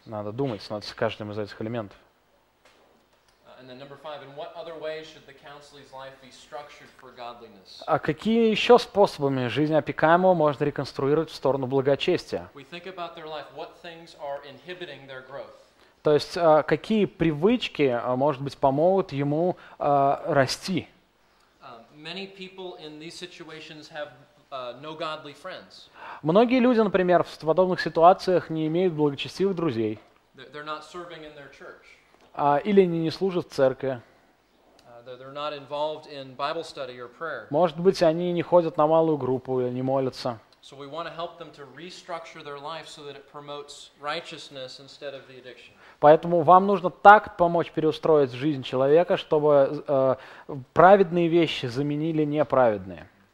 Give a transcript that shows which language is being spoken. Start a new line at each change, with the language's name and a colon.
Russian: Надо думать над каждым из этих элементов.
English: And then number five, in what other ways should the counselee's life be structured for godliness?
Russian: А какими еще способами жизнь опекаемого можно реконструировать в сторону благочестия?
English: We think about their life, what things are inhibiting their growth?
Russian: То есть какие привычки, может быть, помогут ему расти?
English: Many people in these situations have no godly friends.
Russian: Многие люди, например, в подобных ситуациях не имеют благочестивых друзей.
English: They're not serving in their church.
Russian: Или они не служат в церкви.
English: They're not involved in Bible study or prayer.
Russian: Может быть, они не ходят на малую группу или не молятся.
English: So we want to help them to restructure their life so that it promotes righteousness instead of the addiction.
Russian: Поэтому вам нужно так помочь переустроить жизнь человека, чтобы праведные вещи заменили неправедные.